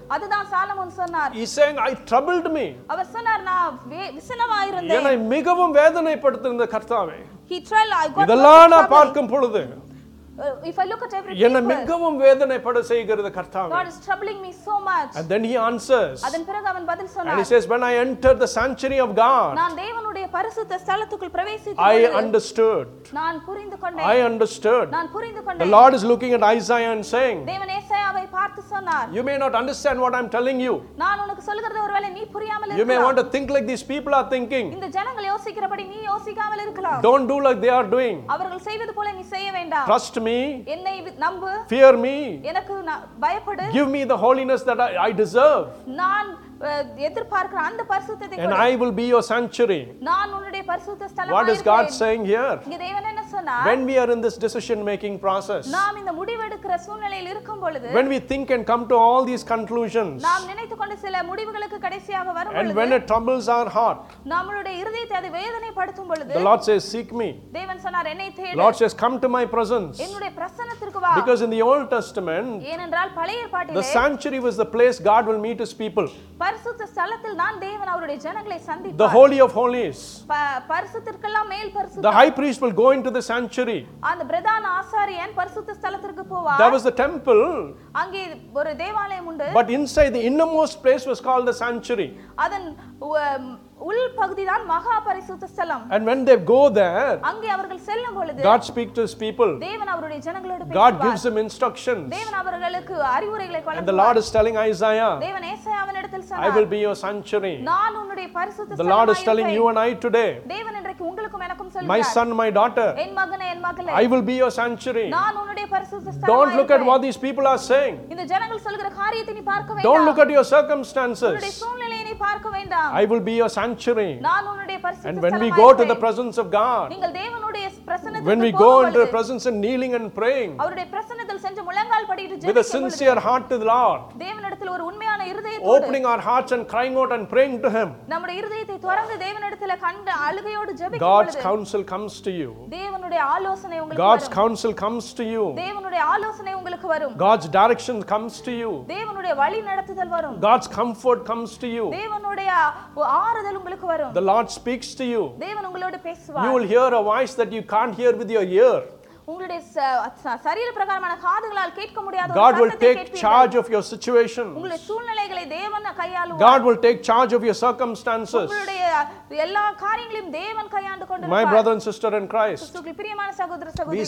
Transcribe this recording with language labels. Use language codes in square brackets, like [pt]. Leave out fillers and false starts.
[ta] அதுதான் சாலமோன் சொன்னார். [en] He's saying I troubled me. [ta] அவர் சொன்னார் நான் விசனமா இருந்தேன். என்னை மிகவும் வேதனைப்படுத்தின கர்த்தாவே. [en] He trial I got. [ta] இதெல்லாம் நான் பார்க்கும் பொழுது [en] If I look at every people, [ta] என்ன மிகவும் வேதனை பட செய்கிறது கர்த்தாவே. [en] God is troubling me so much. And then he answers. [ta] அதன் பிறகு அவன் பதில் சொன்னான். [en] And he says when I entered the sanctuary of God. [ta] நான் தேவனுடைய பரிசுத்த ஸ்தலத்துக்குள் பிரவேசித்தேன். [en] I understood. [ta] நான் புரிந்துகொண்டேன். [en] I understood. [ta] நான் புரிந்துகொண்டேன். [en] The Lord is looking at Isaiah and saying. [ta] தேவன் ஏசாயாவை பார்த்து சொன்னார். [en] You may not understand what I'm telling you. [ta] நான் உனக்கு சொல்லுகிறது ஒருவேளை நீ புரியாமல இருக்கலாம். [en] You may want to think like these people are thinking. [ta] இந்த ஜனங்கள் யோசிக்கிறபடி நீ யோசிக்காமல இருக்கலாம். [en] Don't do like they are doing. [ta] அவர்கள் செய்வது போல நீ செய்யவேண்டாம். [en] Trust me [ta] என்னை நம்பு [en] fear me [ta] எனக்கு பயப்படு [en] give me the holiness that I deserve [ta] நான் எதிர்பார்க்கிற அந்த பரிசுத்தத்தை [en] and I will be your sanctuary [ta] நான் உன்னுடைய பரிசுத்த ஸ்தலமாய் [en] what is god saying here [ta] இங்க தேவன் என்ன சொன்னார் [en] when we are in this decision making process [ta] நாம் இந்த முடிவெடுக்கிற சூழ்நிலையில் இருக்கும் பொழுது [en] when we think and come to all these conclusions [ta] நாம் நினைத்துக்கொண்டு சில முடிவுகளுக்கு கடைசியாக வரும் பொழுது [en] and when it troubles our heart [ta] நம்மளுடைய இதயத்தை அது வேதனைப்படுத்தும் பொழுது [en] the lord says seek me [ta] தேவன் சொன்னார் என்னை தேடு [en] lord says come to my presence [ta] என்னுடைய பிரசன்னத்திற்கு வா [en] because in the old testament [ta] ஏனென்றால் பழைய ஏற்பாட்டில் [en] the sanctuary was the place god will meet his people [ta] பரிசுத்த ஸ்தலத்தில் நான் தேவன் அவருடைய ஜனங்களை சந்திப்பார் [en] the holy of holies [ta] பரிசுத்திற்கெல்லாம் மேல் பரிசுத்தம் [en] the high priest will go into the sanctuary [ta] அந்த பிரதான ஆசாரியன் பரிசுத்த ஸ்தலத்திற்கு போவார் [en] there was the temple [ta] அங்கே ஒரு தேவாலயம் உண்டு [en] but inside the innermost place was called the sanctuary [ta] அதன் உள் பகுதிதான் மகா பரிசுத்த ஸ்தலம் [en] and when they go there [ta] அங்கே அவர்கள் செல்லும் பொழுது [en] god speaks to his people [ta] தேவன் அவருடைய ஜனங்களோடு பேசுவார் [en] god gives them instructions [ta] தேவன் அவர்களுக்கு அறிவுரைகளை கொடுப்பார் [en] the lord is telling isaiah [ta] தேவன் ஏசாயாவின் இடத்தில் சொன்னார் [en] i will be your sanctuary [ta] நான் உன்னுடைய பரிசுத்த ஸ்தலம் [en] the lord is telling you and i today [ta] தேவன் இன்றைக்கு உங்களுக்கும் எனக்கும் சொல்கிறார் [en] my son my daughter [ta] என் மகனே என் மகளே [en] i will be your sanctuary [ta] நான் உன்னுடைய பரிசுத்த ஸ்தலம் [en] don't look at what these people are saying [ta] இந்த ஜனங்கள் சொல்கிற காரியத்தை நீ பார்க்க வேண்டாம் [en] don't look at your circumstances [ta] பார்க்கவேண்டாம் [en] I will be your sanctuary [ta] நான் உன்னுடைய பரிசுத்த [en] and when we go to the presence of god [ta] நீங்கள் தேவனுடைய பிரசன்னத்தில் [en] when we go into the presence and kneeling and praying [ta] அவருடைய பிரசன்னத்தில் சென்று முழங்கால் படியிட்டு [en] with a sincere heart to the lord [ta] தேவனிடத்தில் ஒரு உண்மையான இருதயத்தோடு [en] opening our hearts and crying out and praying to him [ta] நம்முடைய இருதயத்தை திறந்து தேவனிடத்தில் கண்டு அழுகையோடு ஜெபிக்கும் [en] god's counsel comes to you [ta] தேவனுடைய ஆலோசனை உங்களுக்கு [en] god's counsel comes to you [ta] தேவனுடைய ஆலோசனை உங்களுக்கு வரும் [en] god's direction comes to you [ta] தேவனுடைய வழிநடத்துதல் வரும் [en] god's comfort comes to you [ta] தேவனுடைய ஆறுதல் உங்களுக்கு வரும் [en] the lord speaks to you [ta] தேவன் உங்களோடு பேசுவார் [en] you will hear a voice that you can't hear with your ear [ta] உங்களுடைய சரீர பிரகாரமான காதுகளால் கேட்க முடியாத [en] God will take charge of your situation [ta] உங்களுடைய சூழ்நிலைகளை தேவன் கையாளுவார் [en] God will take charge of your circumstances [ta] உங்களுடைய எல்லா காரியங்களையும் தேவன் கையாண்டு கொண்டிருப்பார் [en] My brother and sister in Christ [ta] கிறிஸ்துவுக்கு பிரியமான சகோதர சகோதரிகளே